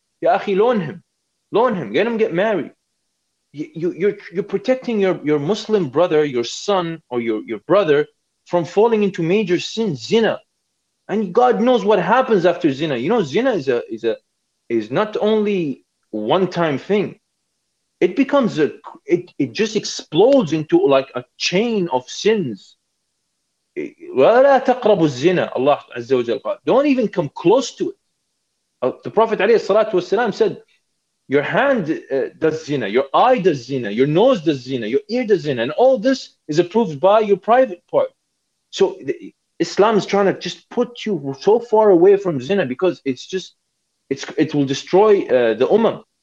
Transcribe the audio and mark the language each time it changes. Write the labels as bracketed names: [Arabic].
[English] Ya akhi, loan him, get married. You're protecting your Muslim brother, your son, or your brother from falling into major sin, zina. And God knows what happens after zina. You know, zina is not only one time thing. It becomes it just explodes into like a chain of sins. [Arabic] ولا تقربوا الزنا الله عز وجل قال [English] don't even come close to it. The Prophet [Arabic] عليه الصلاة والسلام [English] said your hand does zina, your eye does zina, your nose does zina, your ear does zina, and all this is approved by your private part. So Islam is trying to just put you so far away from zina because it will destroy the ummah.